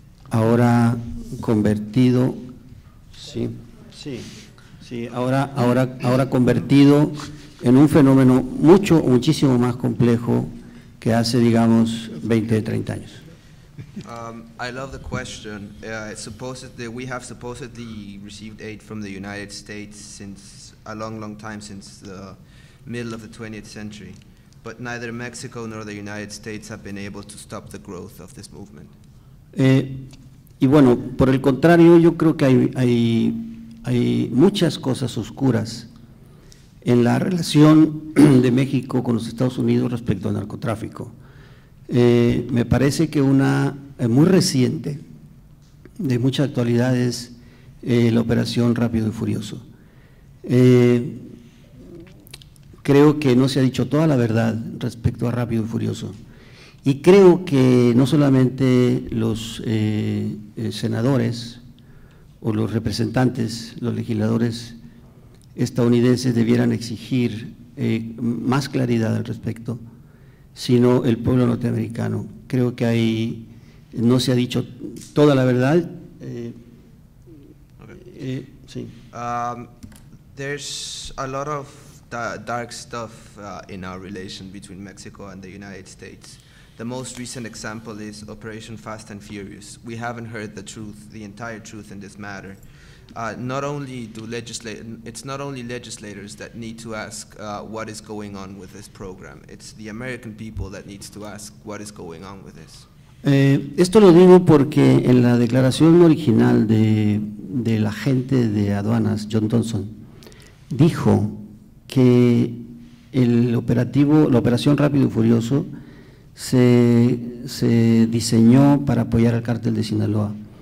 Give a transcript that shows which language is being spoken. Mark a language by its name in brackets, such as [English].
[Spanish] Ahora convertido, sí, ahora convertido en un fenómeno muchísimo más complejo que hace, digamos, 20, 30 años. [English] I love the question. We have supposedly received aid from the United States since a long, long time, since the middle of the 20th century. But neither Mexico nor the United States have been able to stop the growth of this movement. [Spanish] Y bueno, por el contrario, yo creo que hay muchas cosas oscuras en la relación de México con los Estados Unidos respecto al narcotráfico. Me parece que una muy reciente, de mucha actualidad, es la operación Rápido y Furioso. Creo que no se ha dicho toda la verdad respecto a Rápido y Furioso. Y creo que no solamente los senadores o los representantes, los legisladores estadounidenses debieran exigir más claridad al respecto, sino el pueblo norteamericano. Creo que ahí no se ha dicho toda la verdad. Sí. [English] There's a lot of dark stuff in our relation between Mexico and the United States. The most recent example is Operation Fast and Furious. We haven't heard the truth, the entire truth in this matter. It's not only legislators that need to ask what is going on with this program. It's the American people that needs to ask what is going on with this. [Spanish] Esto lo digo porque en la declaración original del agente de aduanas, John Thompson, dijo que la operación Rápido y Furioso se diseñó para apoyar al cártel de Sinaloa.